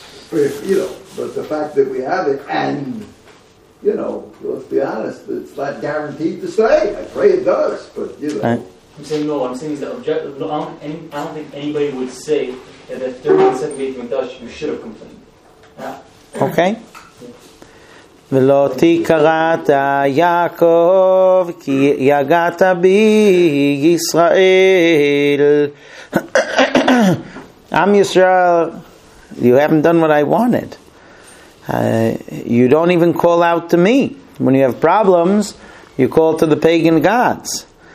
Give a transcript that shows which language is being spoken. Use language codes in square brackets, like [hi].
[en] But you know, but the fact that we have it, and you know, let's be honest, it's not guaranteed to stay. I pray it does, but you know. Right. I'm saying is that objective. No, I don't think anybody would say that if 378 Mekdash, you should have complained. Yeah. Okay. [he] ולא תקראת יעקב כי יגעת בי ישראל. [en] I'm Israel. You haven't done what I wanted. You don't even call out to me. When you have problems, you call to the pagan gods.